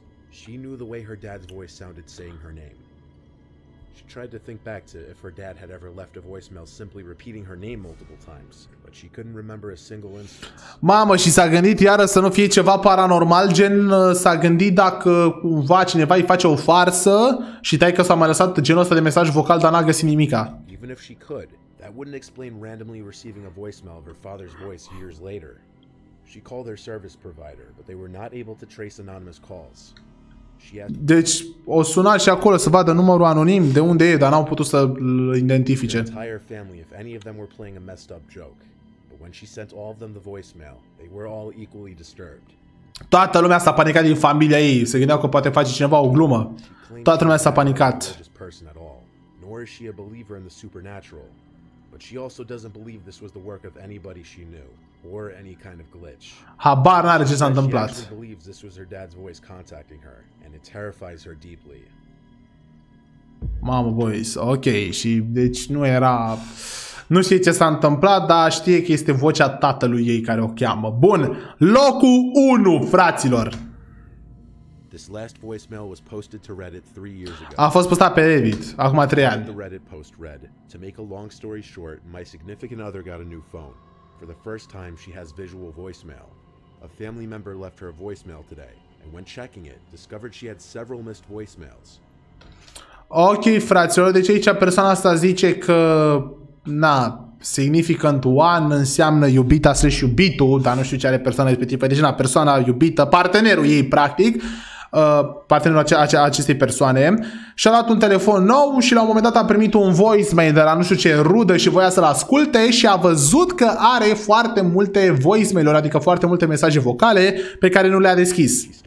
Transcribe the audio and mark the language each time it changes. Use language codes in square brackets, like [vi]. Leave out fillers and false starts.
[en] She knew the way her dad's voice sounded saying her name. She tried to think back to if her dad had ever left a voicemail simply repeating her name multiple times, but she couldn't remember a single instance. [ro] Mamă, și s-a gândit iară să nu fie ceva paranormal, gen s-a gândit dacă cumva cineva îi face o farsă și taică s-a mai lăsat genul ăsta de mesaj vocal, dar n-a găsit nimica. [en] Even if she could, that wouldn't explain randomly receiving a voicemail of her father's voice years later. She called their service provider, but they were not able to trace anonymous calls. [ro] Deci o suna și acolo să vadă numărul anonim de unde e, dar n-au putut să-l identifice. [en] Entire family, if any of them were playing a messed up joke. But when she sent all of them the voicemail, they were all equally disturbed. [ro] Toată lumea s-a panicat din familia ei, se gândeau că poate face cineva o glumă. Toată lumea s-a panicat. [en] Nor is she a believer in the supernatural, but she also doesn't believe this was the work of anybody she knew or any kind of glitch. [ro] Habar n-are ce s-a întâmplat. [en] She believes this was her dad's voice contacting her. And it terrifies her deeply. [ro] Mama [en] boys, [ro] ok, și deci nu era, nu știe ce s-a întâmplat, dar știe că este vocea tatălui ei care o cheamă. Bun, locul 1, fraților. [en] This last voicemail was posted to Reddit 3 years ago. [ro] A fost postat pe Reddit acum 3 ani. [en] The Reddit post read, to make a long story short, my significant other got a new phone. For the first time she has visual voicemail. A family member left her a voicemail today. And when checking it, discovered she had several missed voicemails. [ro] Ok, fraților, deci aici persoana asta zice că, na, [en] significant one [ro] înseamnă iubita slash iubitul, dar nu știu ce are persoana respectivă. Deci, na, persoana iubită, partenerul ei, practic, partenerul acestei persoane, și-a luat un telefon nou și la un moment dat a primit un voicemail de la nu știu ce rudă și voia să-l asculte și a văzut că are foarte multe voicemail-uri, adică foarte multe mesaje vocale pe care nu le-a deschis.